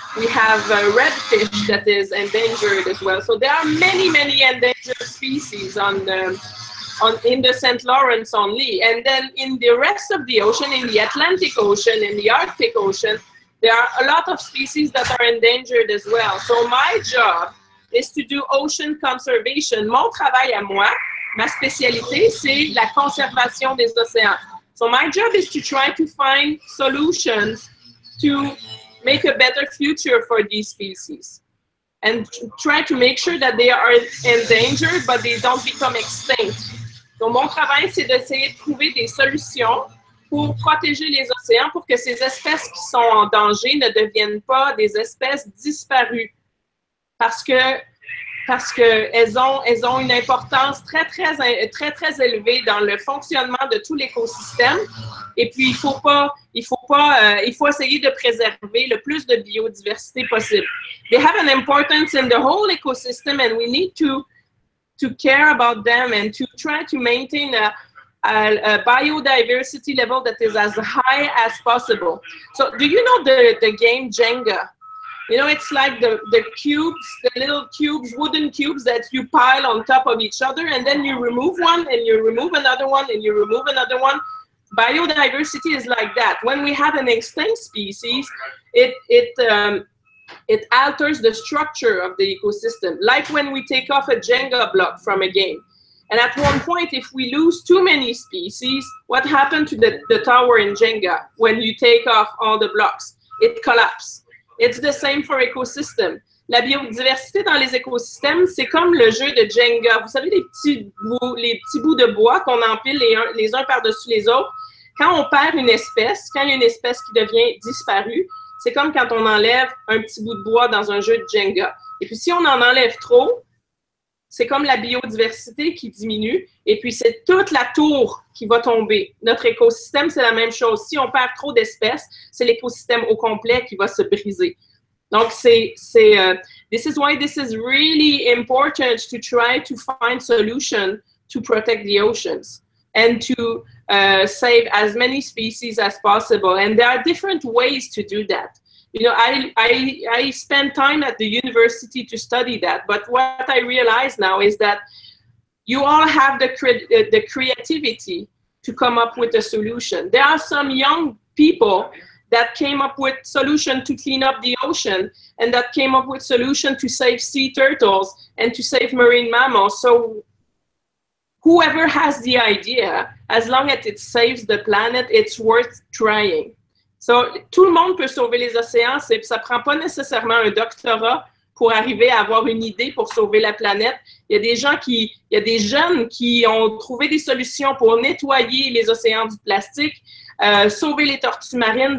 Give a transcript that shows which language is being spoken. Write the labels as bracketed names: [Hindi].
[English] We have redfish that is endangered as well. So there are many, many endangered species in the St. Lawrence only. And then in the rest of the ocean, in the Atlantic Ocean, in the Arctic Ocean, there are a lot of species that are endangered as well. So my job is to do ocean conservation. [French] Mon travail à moi, ma spécialité, c'est la conservation des océans. [English] So my job is to try to find solutions to make a better future for these species and try to make sure that they are endangered but they don't become extinct. [French] Donc mon travail, c'est d'essayer de trouver des solutions pour protéger les océans pour que ces espèces qui sont en danger ne deviennent pas des espèces disparues parce que elles ont une importance très, très, très, très élevée dans le fonctionnement de tout l'écosystème. Et puis, il faut essayer de préserver le plus de biodiversité possible. [English] They have an importance in the whole ecosystem and we need to care about them and to try to maintain a biodiversity level that is as high as possible. So, do you know the game Jenga? You know, it's like the cubes, the little cubes, wooden cubes that you pile on top of each other and then you remove one and you remove another one and you remove another one. Biodiversity is like that. When we have an extinct species, it alters the structure of the ecosystem. Like when we take off a Jenga block from a game. And at one point, if we lose too many species, what happened to the tower in Jenga when you take off all the blocks? It collapses. It's the same for ecosystem. [French] La biodiversité dans les écosystèmes, c'est comme le jeu de Jenga. Vous savez, les petits bouts de bois qu'on empile les uns par-dessus les autres. Quand on perd une espèce, quand il y a une espèce qui devient disparue, C'est comme quand on enlève un petit bout de bois dans un jeu de Jenga. Et puis, si on en enlève trop, c'est comme la biodiversité qui diminue. Et puis, c'est toute la tour qui va tomber. Notre écosystème, c'est la même chose. Si on perd trop d'espèces, c'est l'écosystème au complet qui va se briser. Donc, c'est [English] this is why this is really important to try to find solutions to protect the oceans and to save as many species as possible. And there are different ways to do that. You know, I spend time at the university to study that. But what I realize now is that you all have the creativity to come up with a solution. There are some young people that came up with solution to clean up the ocean and that came up with solution to save sea turtles and to save marine mammals. So whoever has the idea, as long as it saves the planet, it's worth trying. [French] So tout le monde peut sauver les océans, c'est, ça prend pas nécessairement un doctorat pour arriver à avoir une idée pour sauver la planète. Il y a des gens qui, il y a des jeunes qui ont trouvé des solutions pour nettoyer les océans du plastique, sauver les tortues marines.